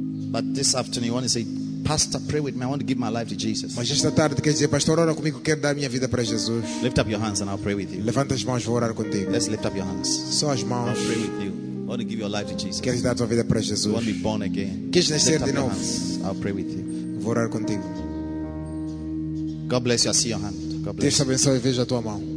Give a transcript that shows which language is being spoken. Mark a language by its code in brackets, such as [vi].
[en] But this afternoon you want to say, Pastor, pray with me. I want to give my life to Jesus. [pt] Mas esta tarde quer dizer, Pastor, ora comigo, quero dar minha vida para Jesus. [en] Lift up your hands and I'll pray with you. [pt] Levanta as mãos, vou orar contigo. [en] Let's lift up your hands. [pt] Só as mãos. [en] I'll pray with you. I want to give your life to Jesus. [pt] Queres dar a tua vida para Jesus? [en] You want to be born again. [pt] Queres nascer de novo? [en] I'll pray with you. [pt] Vou orar contigo. [en] God bless you. I see your hand. [pt] Deus abençoe e veja a tua mão.